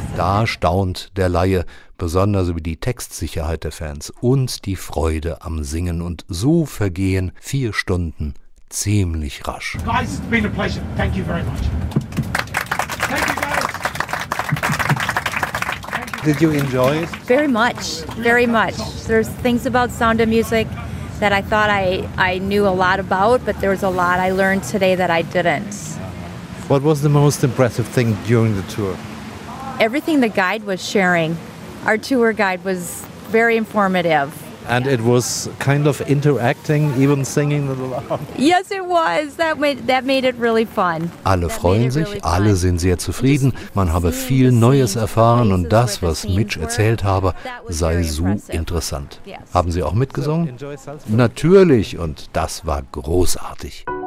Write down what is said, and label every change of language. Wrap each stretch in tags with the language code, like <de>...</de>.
<de>Da staunt der Laie, besonders über die Textsicherheit der Fans und die Freude am Singen. Und so vergehen 4 Stunden ziemlich rasch.</de> <en>Guys, it's been a pleasure. Thank you very much. Did you enjoy it? Very much, very much. There's things about Sound of Music that I thought I knew a lot about, but there was a lot I learned today that I didn't. What was the most impressive thing during the tour? Everything the guide was sharing. Our tour guide was very informative. And it was kind of interacting, even singing along. Yes, it was. That made it really fun.</en> <de>Alle freuen sich, alle sind sehr zufrieden. Man habe viel Neues erfahren und das, was Mitch erzählt habe, sei so interessant. Haben Sie auch mitgesungen? Natürlich, und das war großartig.</de>